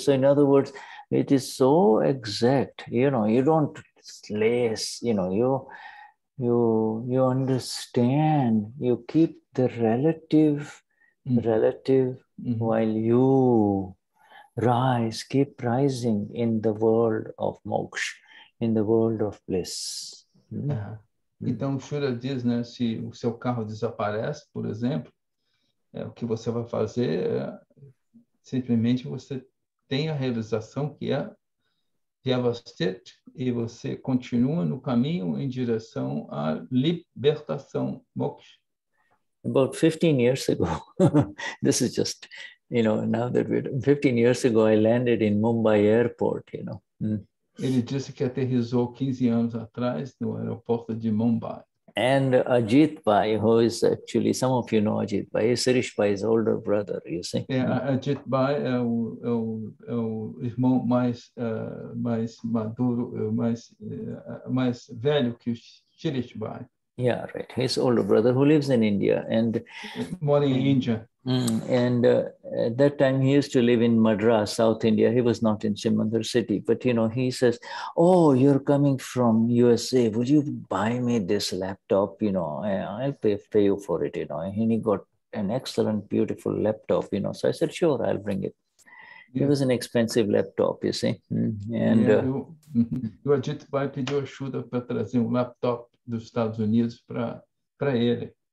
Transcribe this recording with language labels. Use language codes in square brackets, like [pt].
[en] So in other words, it is so exact, you know, you don't slice, you know, you understand, you keep the relative, mm-hmm. relative mm-hmm. while you rise, keep rising in the world of moksha, in the world of bliss. Uhum. [pt] Então, o Shura diz, né, se o seu carro desaparece, por exemplo, o que você vai fazer é simplesmente você tem a realização que é Vyavasthit e você continua no caminho em direção à libertação, moksha. [en] About 15 years ago, this is just, you know, now that we're 15 years ago, I landed in Mumbai airport, you know. [pt] Ele disse que aterrizou 15 anos atrás no aeroporto de Mumbai. [en] And Ajit Bhai, who is actually, some of you know Ajit Bhai, Sirish Bhai's older brother, you see. [pt] Yeah, Ajit Bhai é o irmão mais maduro, mais velho que o Sirish Bhai. [en] Yeah, right. His older brother who lives in India. And morning in India. And at that time, he used to live in Madras, South India. He was not in Chimandar city. But, you know, he says, oh, you're coming from USA. Would you buy me this laptop? You know, I'll pay you for it, you know. And he got an excellent, beautiful laptop, you know. So I said, sure, I'll bring it. Yeah. It was an expensive laptop, you see. And [pt] yeah, Ajit Bhai pediu ajuda para trazer um laptop dos Estados Unidos para ele.